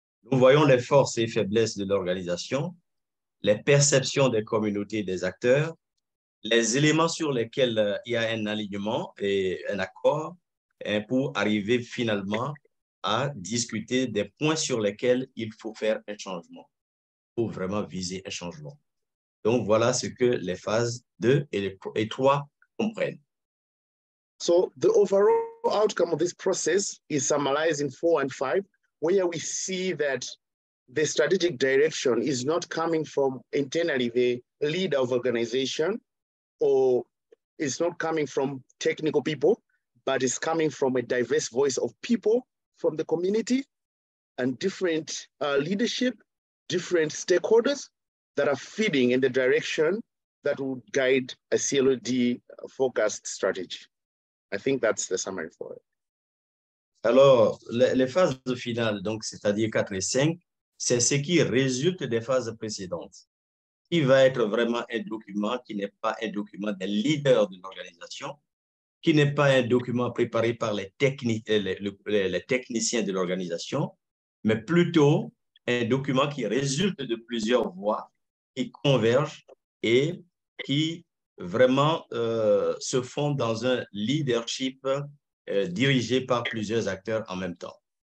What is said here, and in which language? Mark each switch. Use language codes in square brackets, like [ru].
[fr] Nous voyons les forces et faiblesses de l'organisation, les perceptions des communautés et des acteurs, les éléments sur lesquels il y a un alignement et un accord pour arriver finalement à discuter des points sur lesquels il faut faire un changement, pour vraiment viser un changement. Donc voilà ce que les phases 2 et 3 comprennent. [en] So the overall outcome of this process is summarized in 4 and 5, where we see that the strategic direction is not coming from internally the leader of organization, or it's not coming from technical people, but it's coming from a diverse voice of people from the community and different leadership, different stakeholders that are feeding in the direction that would guide a CLOD focused strategy. I think that's the summary for it. [fr] Alors, les phases finales, donc c'est-à-dire 4 et 5, c'est ce qui résulte des phases précédentes. Qui va être vraiment un document qui n'est pas un document des leaders de l'organisation, qui n'est pas un document préparé par les techniciens de l'organisation, mais plutôt un document qui résulte de plusieurs voies qui convergent et qui vraiment se font dans un leadership dirigé par plusieurs acteurs en même temps.